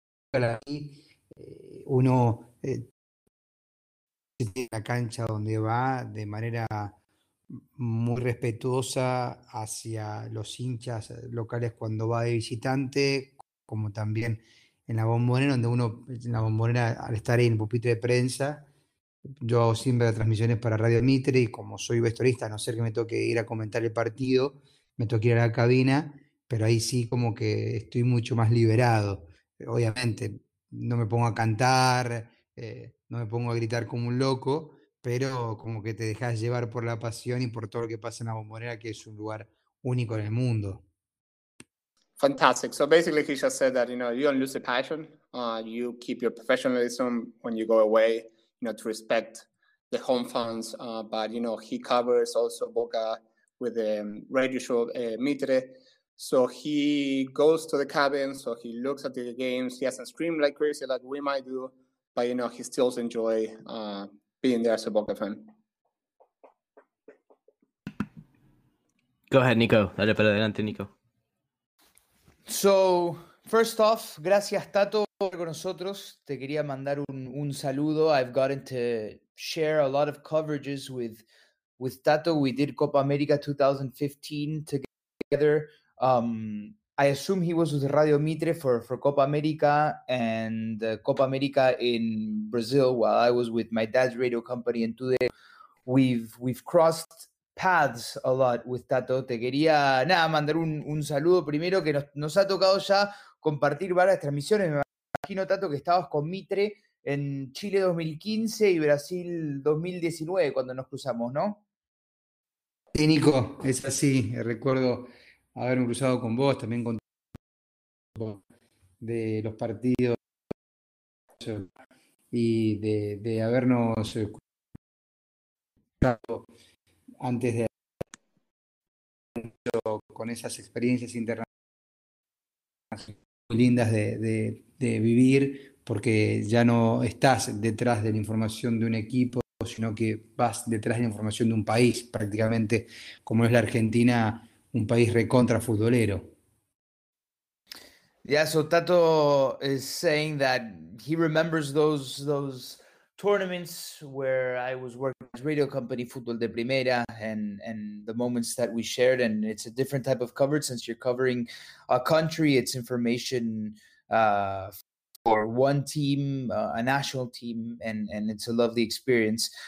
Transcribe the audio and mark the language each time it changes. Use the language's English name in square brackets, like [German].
[Spanish] Para mí, uno se tiene la cancha donde va de manera muy respetuosa hacia los hinchas locales cuando va de visitante, como también en la Bombonera, donde uno, en la Bombonera, al estar ahí en el pupitre de prensa, yo hago siempre las transmisiones para Radio Mitre, y como soy vestuarista, a no ser que me toque ir a comentar el partido, me toque ir a la cabina, pero ahí sí como que estoy mucho más liberado. Obviamente, no me pongo a cantar, no me pongo a gritar como un loco, pero como que te dejas llevar por la pasión y por todo lo que pasa en la Bombonera, que es un lugar único en el mundo. [English] Fantastic. So basically he just said that, you don't lose the passion. You keep your professionalism when you go away, to respect the home fans. But, he covers also Boca with the radio show Mitre. So he goes to the cabin. So he looks at the games. He hasn't screamed like crazy like we might do. But, he still enjoys being there as a Boca fan. Go ahead, [Spanish] Nico. Dale para adelante, Nico. [English] So, first off, [Spanish] gracias Tato por con nosotros. Te quería mandar un saludo. [English] I've gotten to share a lot of coverages with Tato. We did Copa America 2015 together. I assume he was with Radio Mitre for Copa America and Copa America in Brazil, while I was with my dad's radio company. And today we've crossed paths a lot with Tato. [Spanish] Te quería nada mandar un saludo primero, que nos ha tocado ya compartir varias transmisiones. Me imagino, Tato, que estabas con Mitre en Chile 2015 y Brasil 2019 cuando nos cruzamos, ¿no? Sí, Nico, es así. Recuerdo haberme cruzado con vos, también con de los partidos y de habernos escuchado antes de con esas experiencias internacionales muy lindas de vivir, porque ya no estás detrás de la información de un equipo, sino que vas detrás de la información de un país, prácticamente, como es la Argentina, un país recontra futbolero. [English] Yeah, so Tato is saying that he remembers those tournaments where I was working with radio company Fútbol de Primera and the moments that we shared, and it's a different type of coverage since you're covering a country, it's information for one team, a national team, and it's a lovely experience.